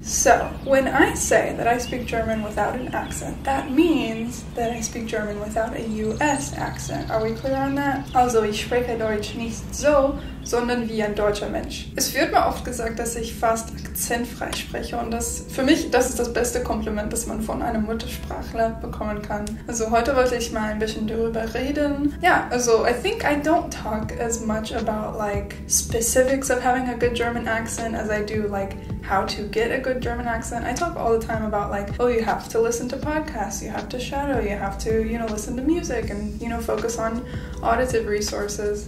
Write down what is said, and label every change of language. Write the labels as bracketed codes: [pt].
[en] So, when I say that I speak German without an accent, that means that I speak German without a US accent. Are we clear on that? [de] Also, ich spreche Deutsch nicht so, sondern wie ein deutscher Mensch. Es wird mir oft gesagt, dass ich fast akzentfrei spreche und das für mich, das ist das beste Kompliment, das man von einem Muttersprachler bekommen kann. Also heute wollte ich mal ein bisschen darüber reden. Ja, also [en] I think I don't talk as much about like specifics of having a good German accent as I do like how to get a good German accent. I talk all the time about like, oh, you have to listen to podcasts, you have to shadow, you have to, you know, listen to music and, you know, focus on auditive resources.